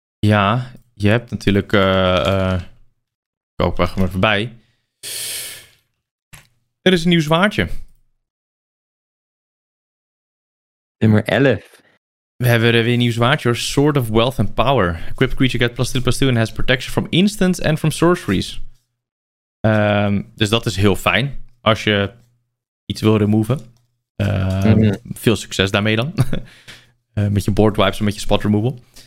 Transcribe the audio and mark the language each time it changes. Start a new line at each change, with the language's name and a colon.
Dutch: Ja, je hebt natuurlijk ik hoop echt maar voorbij, er is een nieuw zwaardje, nummer 11. We hebben er weer een nieuw zwaardje, Sword of Wealth and Power.
English: Equipped creature get +2/+2 and has protection from instants and from sorceries.
Dutch: Dus dat is heel fijn als je iets wil removen. Veel succes daarmee dan. met je board wipes en met je spot removal.